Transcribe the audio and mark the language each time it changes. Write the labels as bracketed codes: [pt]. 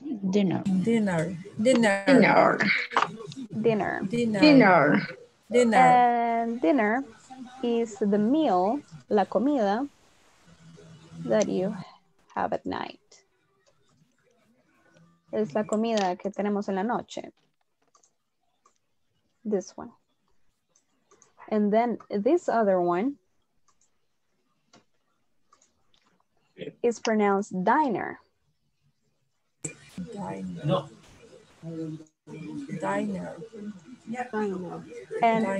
[en] Dinner. Dinner. Dinner. Dinner. Dinner. Dinner. Dinner. And dinner is the meal, [es] la comida, [en] that you have at night. [es] Es la comida que tenemos en la noche. [en] This one. And then this other one is pronounced diner. Diner. Diner. And diner.